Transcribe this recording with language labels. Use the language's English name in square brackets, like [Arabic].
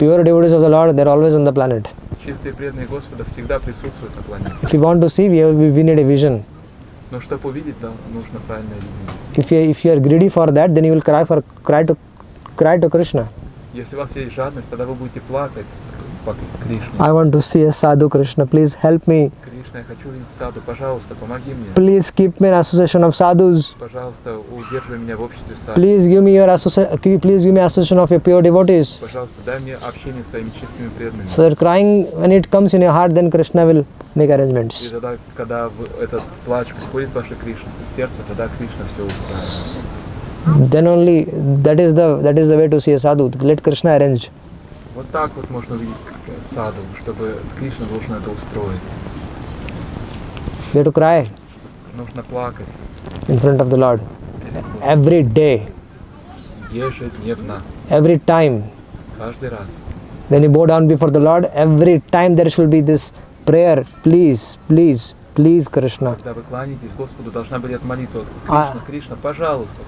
[English] Pure devotees of the Lord, they're always on the planet. [Russian] Чистые преданные Господа всегда присутствуют на планете. [English] If you want to see, we need a vision. [Russian] Но чтобы увидеть, да, нужно правильное видение. [English] If you are greedy for that, then you will cry to Krishna. [Russian] Если у вас есть жадность, тогда вы будете плакать. [English] I want to see a sadhu, Krishna, please help me. [Russian] Krishna, я хочу видеть саду, пожалуйста, помоги мне. [English] Please keep me in association of sadhus. [Russian] Пожалуйста, удерживай меня в обществе саду. [English] Please give me association of your pure devotees. [Russian] Пожалуйста, дай мне общение с твоими чистыми преданными. [English] So that crying, when it comes in your heart, then Krishna will make arrangements. [Russian] И тогда, когда этот плач приходит в ваше Кришна, сердце, тогда Кришна все устраивает. [English] Then only, that is the way to see a sadhu. Let Krishna arrange. [Russian] Вот так вот можно видеть саду, чтобы Кришна должен это устроить. [English] You have to cry. [Russian] Нужно плакать. [English] In front of the Lord. Every day. [Russian] Ежедневно. [English] Every time. [Russian] Каждый раз. [English] When you bow down before the Lord, every time there should be this prayer, please, please, please, Krishna. [Russian] Когда вы кланяетесь Господу, должна быть эта молитва. Кришна, Кришна, пожалуйста.